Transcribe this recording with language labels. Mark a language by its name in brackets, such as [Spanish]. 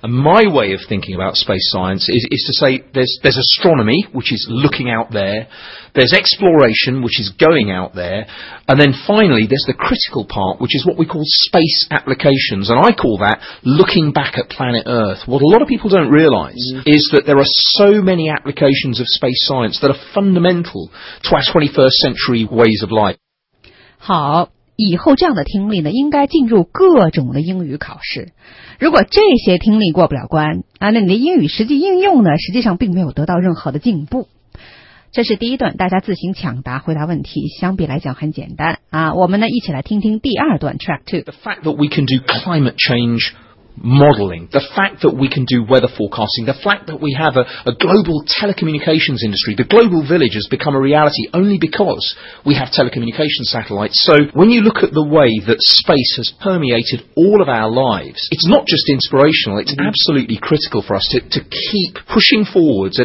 [English] And my way of thinking about space science is to say there's astronomy, which is looking out there, there's exploration, which is going out there, and then finally there's the critical part, which is what we call space applications, and I call that looking back at planet Earth. What a lot of people don't realise is that there are so many applications of space science that are fundamental to our 21st century ways of life. [Chinese] 好，以后这样的听力呢，应该进入各种的英语考试。如果这些听力过不了关，啊，那你的英语实际应用呢，实际上并没有得到任何的进步。这是第一段，大家自行抢答回答问题，相比来讲很简单啊。我们呢，一起来听听第二段 ，Track Two。 [English] The fact that we can do climate change modeling, the fact that we can do weather forecasting, the fact that we have a global telecommunications industry, the global village has become a reality only because we have telecommunication satellites. So when you look at the way that space has permeated all of our lives, it's not just inspirational, it's absolutely critical for us to keep pushing forwards.